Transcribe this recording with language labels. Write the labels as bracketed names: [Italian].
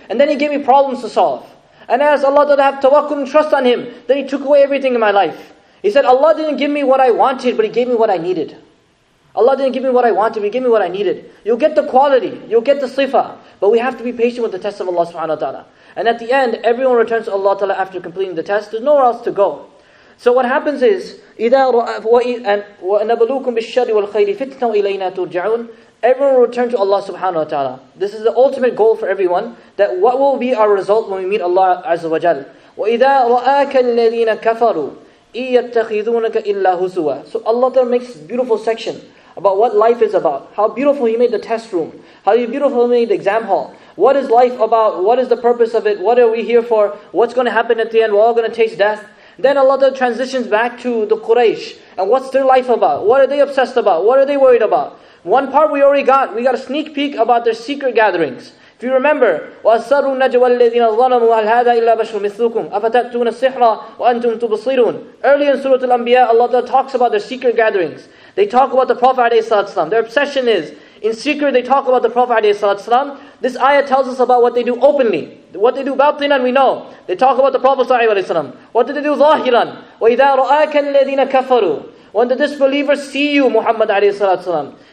[English] And then He gave me problems to solve. And as Allah Ta'ala have tawakkul and trust on Him, then He took away everything in my life. He said, Allah didn't give me what I wanted, but He gave me what I needed. Allah didn't give me what I wanted, but He gave me what I needed. You'll get the quality, you'll get the sifa, but we have to be patient with the test of Allah subhanahu wa ta'ala. And at the end, everyone returns to Allah Ta'ala after completing the test. There's nowhere else to go. So what happens is, [Arabic] وَنَبْلُوكُمْ بِالشَّرِّ وَالْخَيْرِ فِتْنَةً وَإِلَيْنَا تُرْجَعُونَ. [English] Everyone will return to Allah subhanahu wa ta'ala. This is the ultimate goal for everyone, that what will be our result when we meet Allah azza wa jal. [Arabic] وَإِذَا رَآكَ الَّذِينَ كَفَرُوا إِن يَتَّخِذُونَكَ إِلَّا هُزُوًا. [English] So Allah Ta'ala makes this beautiful section about what life is about. How beautiful He made the test room. How beautiful He made the exam hall. What is life about? What is the purpose of it? What are we here for? What's going to happen at the end? We're all going to taste death. Then Allah Ta'ala transitions back to the Quraysh. And what's their life about? What are they obsessed about? What are they worried about? One part we already got. We got a sneak peek about their secret gatherings. If you remember, [Arabic] وَأَسَّرُوا النَّجْوَى الَّذِينَ ظَلَمُوا هَلْ هَذَا إِلَّا بَشْرٌ مِثْلُكُمْ أَفَتَأْتُونَ السِّحْرَ وَأَنْتُمْ تُبْصِرُونَ. [English] Earlier in Surah Al-Anbiya, Allah talks about their secret gatherings. They talk about the Prophet ﷺ. Their obsession is, in secret they talk about the Prophet ﷺ. This ayah tells us about what they do openly. What they do batinan, we know. They talk about the Prophet ﷺ. What did they do zahiran? [Arabic] وَإِذَا رَآكَ الَّذِينَ كَفَرُوا. [English] When the disbelievers see you, Muhammad ﷺ,